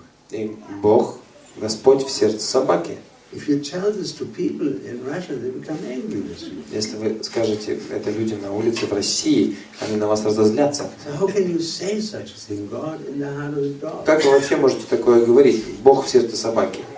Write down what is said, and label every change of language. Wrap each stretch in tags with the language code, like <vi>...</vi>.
<ru>И Бог, Господь в сердце собаки.</ru> <en>If you tell this to people in Russia, they become angry with you.</en> <ru>Если вы скажете это людям на улице в России, они на вас разозлятся.</ru> <en>So how can you say such a thing, God in the heart of the dog?</en> <ru>Как вы вообще можете такое говорить, Бог в сердце собаки?</ru>